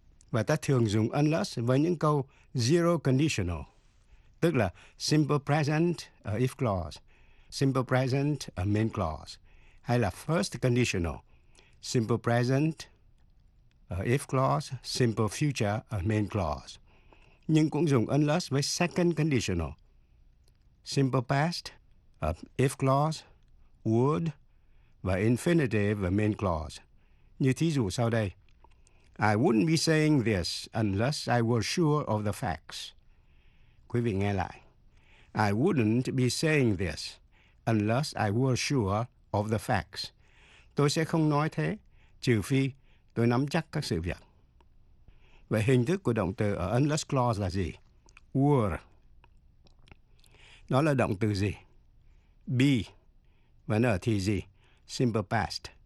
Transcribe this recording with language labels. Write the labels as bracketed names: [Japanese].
[Vietnamese] Và ta thường dùng unless với những câu zero conditional, tức là simple present ở if clause, simple present ở main clause, hay là first conditional, simple present ở if clause, simple future ở main clause. Nhưng cũng dùng unless với second conditional, simple past ở if clause, would và infinitive ở main clause. Như thí dụ sau đây, [English] I wouldn't be saying this unless I were sure of the facts. [Vietnamese] Quý vị nghe lại. [English] I wouldn't be saying this unless I were sure of the facts. [Vietnamese] Tôi sẽ không nói thế trừ phi tôi nắm chắc các sự việc. Vậy hình thức của động từ ở unless clause là gì? Were. Đó là động từ gì? Be. Và nó thì gì? Simple past.